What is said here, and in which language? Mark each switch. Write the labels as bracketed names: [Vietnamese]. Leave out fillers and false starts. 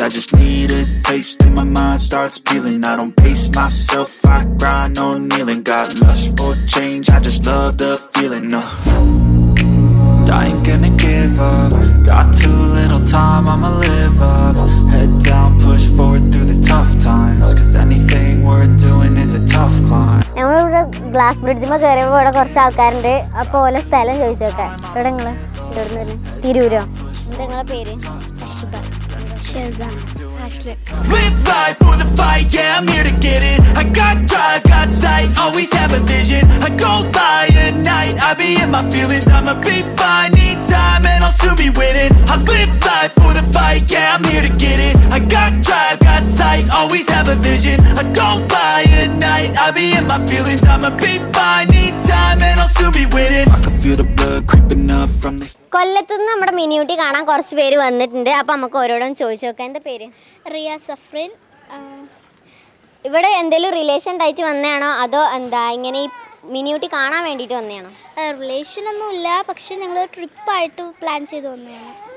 [English] I just need a taste and my mind starts peeling. I don't pace myself, I grind on kneeling. Got lust for change, I just love the feeling. I ain't gonna give up. Got too little time, I'ma live up. Head down, push forward through the tough times. Cause anything worth doing is a tough climb. [Malayalam] നമ്മൾ ഇവിടെ glass ബ്രിഡ്ജിൽ കയറിയപ്പോൾ ഇവിടെ കുറച്ച് ആൾക്കാരുണ്ട്. അപ്പോൾ ഓരോ സ്ഥലം ചോദിച്ചോക്കെ. ഇവിടെ നിങ്ങള് ഇവിടുന്ന് തന്നെ തിരൂരോ നിങ്ങളെ പേര്? [English] Live life for the fight, yeah, I'm here to get it. I got drive, got sight, always have a vision. I go by at night, I be in my feelings. I'ma be fine, need time, and I'll soon be winning. I live life for the fight, yeah, I'm here to get it. I got drive, got sight, always have a vision. I go by at night, I be in my feelings. I'ma be fine, need time, and I'll soon be winning. I can feel the blood creeping up from the... [Malayalam] കൊല്ലത്തുനിന്ന് നമ്മുടെ മിനിയൂട്ടി കാണാൻ കുറച്ച് പേര് വന്നിട്ടുണ്ട്. അപ്പം നമുക്ക് ഓരോടും ചോദിച്ചു നോക്കാം. എന്താ പേര്? റിയ സഫ്രിൻ. ഇവിടെ എന്തെങ്കിലും റിലേഷൻ ഉണ്ടായിട്ട് വന്നതാണോ അതോ എന്താ ഇങ്ങനെ ഈ മിനിയൂട്ടി കാണാൻ വേണ്ടിയിട്ട് വന്നതാണോ? റിലേഷൻ ഒന്നും ഇല്ല, പക്ഷെ ഞങ്ങൾ ട്രിപ്പായിട്ട് പ്ലാൻ ചെയ്ത് വന്നതാണ്.